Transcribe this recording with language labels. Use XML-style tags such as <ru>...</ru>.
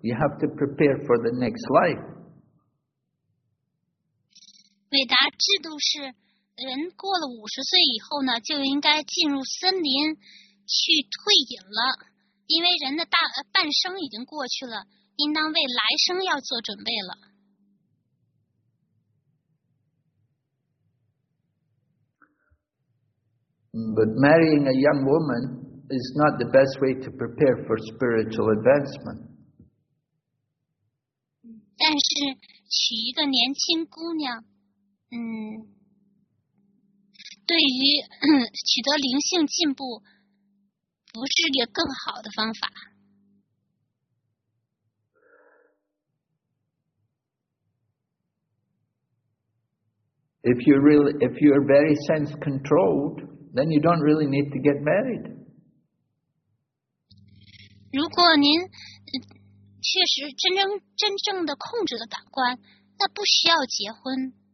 <en>You have to prepare for the next life.</en> <zh>伟达制度是人过了50岁以后呢，就应该进入森林去退隐了。因为人的半生已经过去了，应当为来生要做准备了。</zh> <en>But marrying a young woman is not the best way to prepare for spiritual advancement.</en> <zh>但是娶一个年轻姑娘，对于取得灵性进步。不是一个更好的方法。</zh> <en>If you're very sense controlled, then you don't really need to get married.</en> <zh>如果您确实真正的控制了感官，那不需要结婚。</zh>